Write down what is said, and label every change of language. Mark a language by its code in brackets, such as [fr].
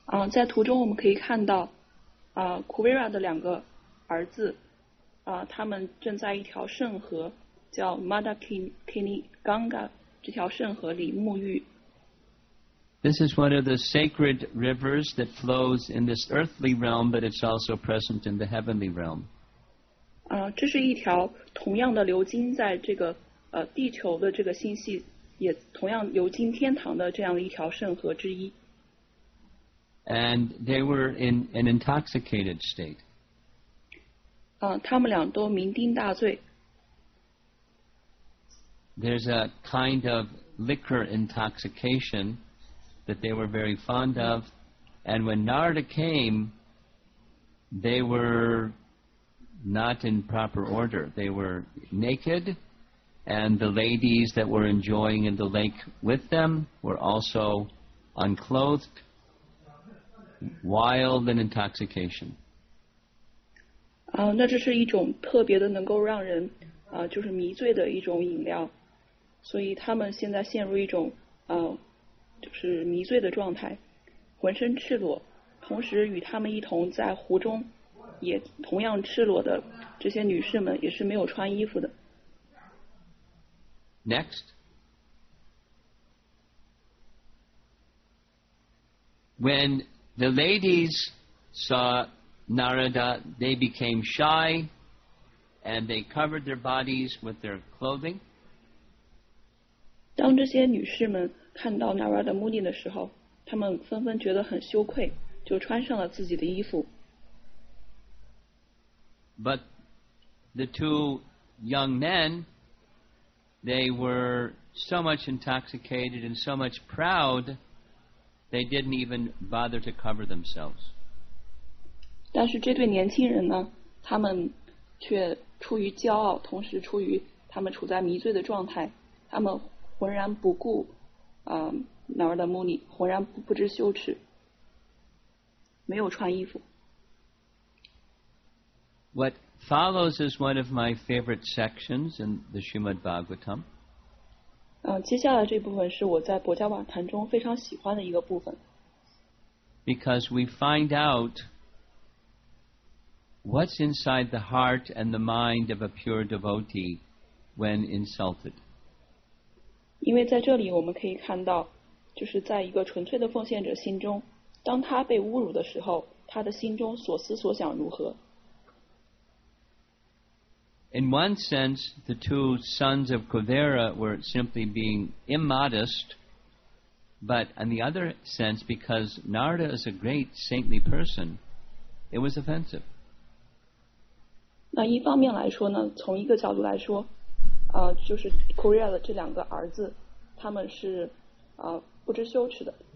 [zh] 在途中我们可以看到Kuvera 的两个儿子他们正在一条圣河叫 Mandakini Ganga 这条圣河里沐浴。 [en] This is one of the sacred rivers that flows in this earthly realm, but it's also present in the heavenly realm. [zh] 这是一条同样的流经在这个地球的这个星系，也同样流经天堂的这样一条圣河之一。 [en] And they were in an intoxicated state. [zh] 他们俩都酩酊大醉。 [en] There's a kind of liquor intoxication that they were very fond of. And when Narada came, they were not in proper order. They were naked, and the ladies that were enjoying in the lake with them were also unclothed, wild in intoxication. [zh] 那这是一种特别的能够让人就是迷醉的一种饮料，所以他们现在陷入一种就是迷醉的状态，浑身赤裸，同时与他们一同在湖中也同样赤裸的这些女士们也是没有穿衣服的。 [en] Next, when the ladies saw Narada, they became shy and they covered their bodies with their clothing. [zh] 当这些女士们看到 Narada Muni 的时候，她们纷纷觉得很羞愧，就穿上了自己的衣服。 [en] But the two young men, they were so much intoxicated and so much proud, they didn't even bother to cover themselves. [zh] 但是这对年轻人呢，他们却出于骄傲，同时出于他们处在迷醉的状态，他们浑然不顾Narada Muni， 浑然不知羞耻，没有穿衣服。 [en] What follows is one of my favorite sections in the Srimad Bhagavatam. [zh] 接下来这部分是我在《薄伽瓦坛》中非常喜欢的一个部分。 [en] Because we find out what's inside the heart and the mind of a pure devotee when insulted. [zh] 因为在这里我们可以看到，就是在一个纯粹的奉献者心中，当他被侮辱的时候，他的心中所思所想如何。 [en] In one sense, the two sons of Kuvera were simply being immodest, but in the other sense, because Narada is a great saintly person, it was offensive. [zh] 那一方面来说呢，从一个角度来说，就是 Kuvera 的这两个儿子，他们是不知羞耻的。